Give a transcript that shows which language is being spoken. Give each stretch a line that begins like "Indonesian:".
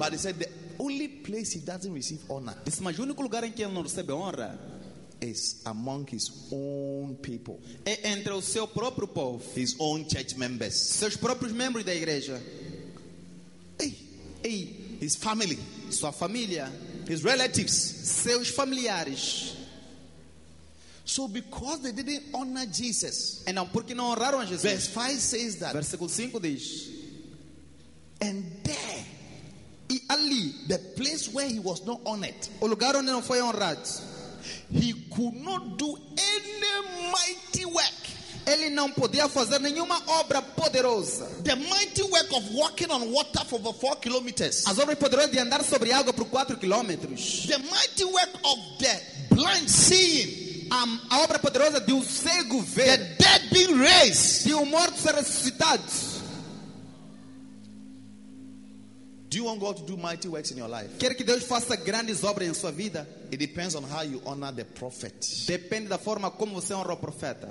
English: But he said the only place he doesn't receive honor.
Portuguese: Esse mas o único lugar em que ele não recebe honra
English: is among his own people.
Portuguese: É entre o seu próprio povo.
English: His own church members.
Portuguese: Seus próprios membros da igreja.
English: Hey. His family.
Portuguese: Sua família.
English: His relatives.
Portuguese: Seus familiares.
English: So because they didn't honor Jesus.
Portuguese: Então, porque não honraram Jesus.
English: Verse 5 says that.
Portuguese: Versículo 5 diz.
English: And there, ali, the place where he was not honored.
Portuguese: O lugar onde não foi honrado.
English: He could not do any mighty work.
Portuguese: Ele não podia fazer nenhuma obra poderosa.
English: The mighty work of walking on water for over 4 kilometers.
Portuguese: As obras poderosas de andar sobre água por 4 quilômetros.
English: The mighty work of the blind seeing.
Portuguese: A obra poderosa de cego ver.
English: The dead being raised.
Portuguese: De morto ser ressuscitado.
English: Do you want God to do mighty works in your life?
Portuguese: Quer que Deus faça grandes obras em sua vida?
English: It depends on how you honor the prophet.
Portuguese: Depende da forma como você honra o profeta.